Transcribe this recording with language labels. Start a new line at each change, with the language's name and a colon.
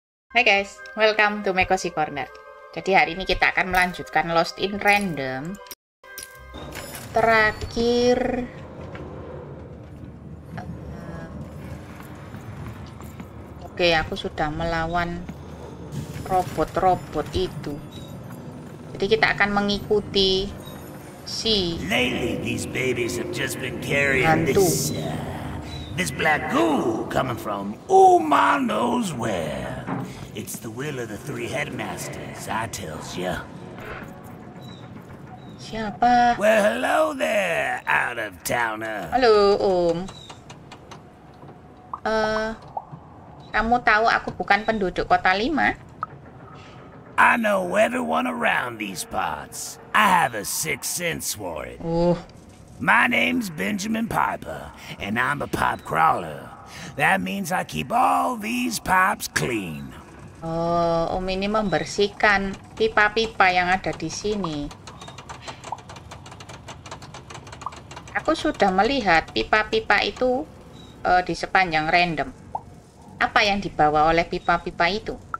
English: Hai guys, welcome to my Cozy Corner.
Indonesian: Jadi hari ini kita akan melanjutkan Lost in Random. Terakhir Oke, aku sudah melawan robot-robot itu. Jadi kita akan mengikuti si
English: Lately, these babies have just been carrying
Indonesian: hantu.
English: This black goo coming from Uma knows where. It's the will of the three headmasters, I tells ya.
Indonesian: Siapa?
English: Well, hello there, out of towner.
Indonesian: Halo, Om. Kamu tahu aku bukan penduduk Kota Lima?
English: I know everyone around these parts. I have a sixth sense for it. My name's Benjamin Piper, and I'm a pipe crawler. That means I keep all these pipes clean.
Indonesian: Oh, Om ini membersihkan pipa-pipa yang ada di sini. Aku sudah melihat pipa-pipa itu di sepanjang random. Apa yang dibawa oleh pipa-pipa itu?